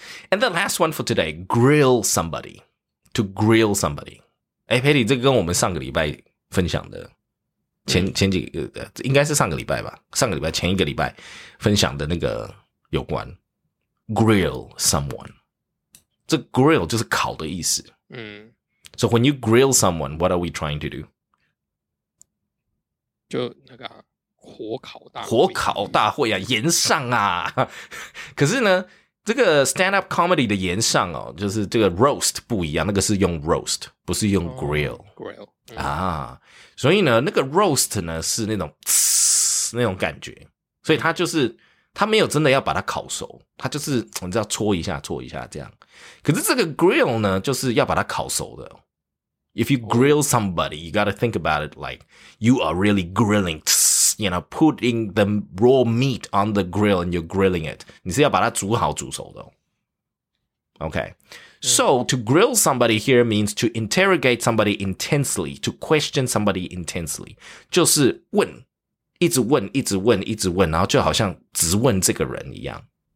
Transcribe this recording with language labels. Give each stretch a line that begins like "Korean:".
English: And the last one for today, grill somebody. To grill somebody.
Chinese: 诶 Patty, 这个跟我们上个礼拜分享的前几个应该是上个礼拜吧上个礼拜前一个礼拜分享的那个有关。 Grill someone. 这 grill 就是烤的意思。嗯。
English: So when you grill someone, what are we trying to do?
Chinese: 就那个。火烤大会啊炎上啊可是呢这个 stand up comedy 的炎上哦就是这个 roast 不一样那个是用 roast 不是用 grill、
English: grill
Chinese: 啊、所以呢那个 roast 呢是那种嘶那种感觉所以他就是他没有真的要把它烤熟他就是你知道搓一下这样可是这个 grill 呢就是要把它烤熟的
English: If you grill somebody, you gotta think about it like you are really grilling you know, putting the raw meat on the grill and you're grilling it.
Chinese: 你是要把它煮好煮熟的。
English: Okay. So, to grill somebody here means to interrogate somebody intensely, to question somebody intensely.
Chinese: 就是问,一直问,一直问,一直问,然后就好像直问这个人一样。